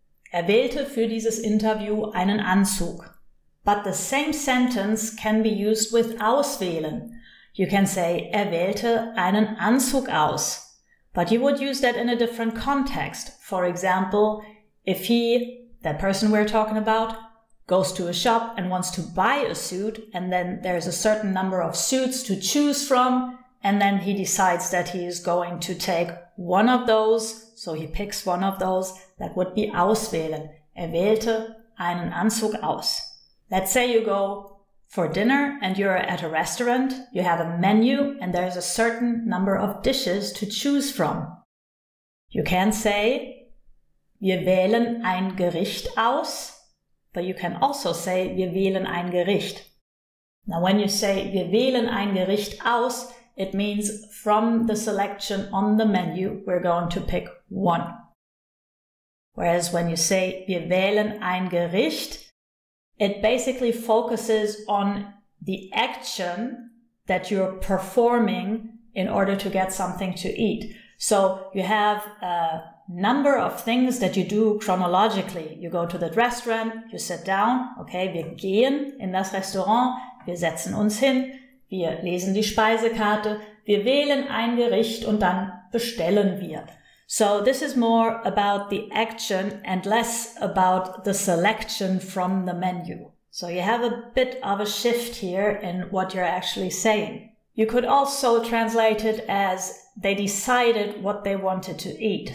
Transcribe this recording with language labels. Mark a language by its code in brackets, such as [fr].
[de] Er wählte für dieses Interview einen Anzug. [en] But the same sentence can be used with auswählen. You can say, [de] er wählte einen Anzug aus. [en] But you would use that in a different context. For example, if he, that person we're talking about, goes to a shop and wants to buy a suit, and then there's a certain number of suits to choose from, and then he decides that he is going to take one of those, so he picks one of those, that would be auswählen. [de] Er wählte einen Anzug aus. [en] Let's say you go for dinner and you're at a restaurant. You have a menu and there's a certain number of dishes to choose from. You can say, [de] wir wählen ein Gericht aus, [en] but you can also say, [de] wir wählen ein Gericht. [en] Now when you say, [de] wir wählen ein Gericht aus, [en] it means from the selection on the menu, we're going to pick one. Whereas when you say, [de] wir wählen ein Gericht, [en] it basically focuses on the action that you're performing in order to get something to eat. So you have a number of things that you do chronologically. You go to the restaurant, you sit down, okay, [de] wir gehen in das Restaurant, wir setzen uns hin, wir lesen die Speisekarte, wir wählen ein Gericht und dann bestellen wir. [en] So this is more about the action and less about the selection from the menu. So you have a bit of a shift here in what you're actually saying. You could also translate it as they decided what they wanted to eat.